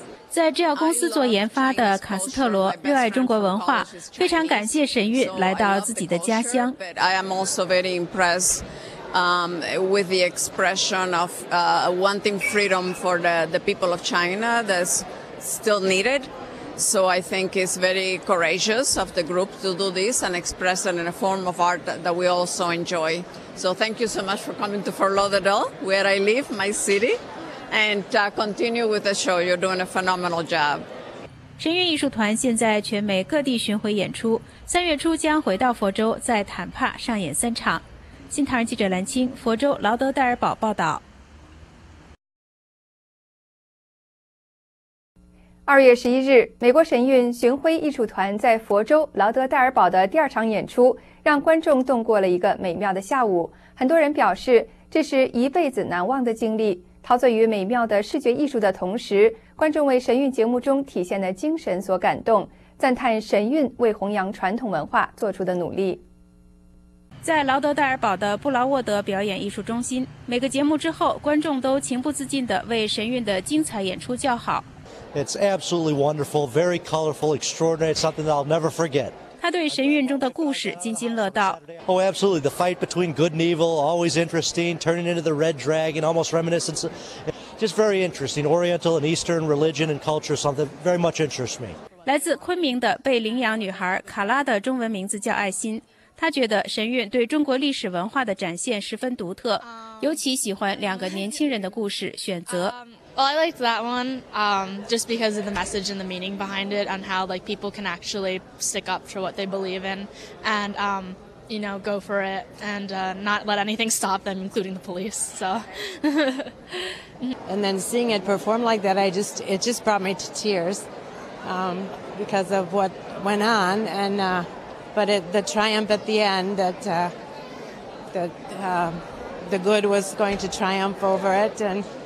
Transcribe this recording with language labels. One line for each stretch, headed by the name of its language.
Chinese: 在制药公司做研发的卡斯特罗热爱中国文化，非常感谢神韵来到自己的家乡。
English: I am also very impressed with the expression of wanting freedom for the people of China that's still needed. So I think it's very courageous of the group to do this and express it in a form of art that we also enjoy. So thank you so much for coming to Fort Lauderdale, where I live, my city. and continue with the show. You're doing a phenomenal job.
Chinese: 神韵艺术团现在全美各地巡回演出，三月初将回到佛州，在坦帕上演三场。新唐人记者蓝青，佛州劳德戴尔堡报道。二月十一日，美国神韵巡回艺术团在佛州劳德戴尔堡的第二场演出，让观众度过了一个美妙的下午。很多人表示，这是一辈子难忘的经历。陶醉于美妙的视觉艺术的同时，观众为神韵节目中体现的精神所感动，赞叹神韵为弘扬传统文化做出的努力。在劳德戴尔堡的布劳沃德表演艺术中心，每个节目之后，观众都情不自禁地为神韵的精彩演出叫好。
English: It's absolutely wonderful, very colorful, extraordinary, something that I'll never forget.
Chinese: 他对神韵中的故事津津乐道。
English: Oh, absolutely, the fight between good and evil, always interesting, turning into the red dragon, almost reminiscent. Just very interesting, oriental and eastern religion and culture, something very much interests me.
Chinese: 来自昆明的被领养女孩卡拉的中文名字叫爱心。她觉得神韵对中国历史文化的展现十分独特，尤其喜欢两个年轻人的故事选择。
English: Well, I liked that one, just because of the message and the meaning behind it, and how like people can actually stick up for what they believe in, and you know, go for it, and not let anything stop them, including the police. So. and then seeing it perform like that, it just brought me to tears, because of what went on, and the triumph at the end that the good was going to triumph over it and.